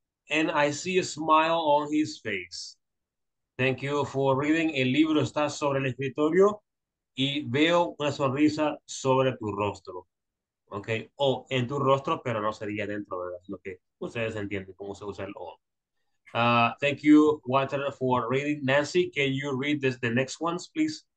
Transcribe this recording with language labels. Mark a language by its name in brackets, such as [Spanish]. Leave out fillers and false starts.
[English] and I see a smile on his face. Thank you for reading. [Spanish] El libro está sobre el escritorio y veo una sonrisa sobre tu rostro. Okay, o en tu rostro, pero no sería dentro, ¿verdad? Lo que ustedes entienden, cómo se usa el o. [English] Thank you, Walter, for reading. Nancy, can you read this, the next ones, please?